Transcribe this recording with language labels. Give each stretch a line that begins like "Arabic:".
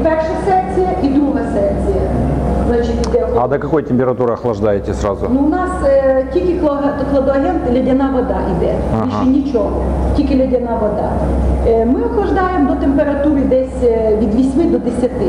Ukrainian: Перша секція і друга секція.
Russian: Значит, а до какой температуры охлаждаете сразу?
Ukrainian: Ну, у нас тільки кладоагент, ледяна вода йде. Ага. Більше нічого. Тільки ледяна вода. Ми охлаждаємо до температури десь від 8 до 10.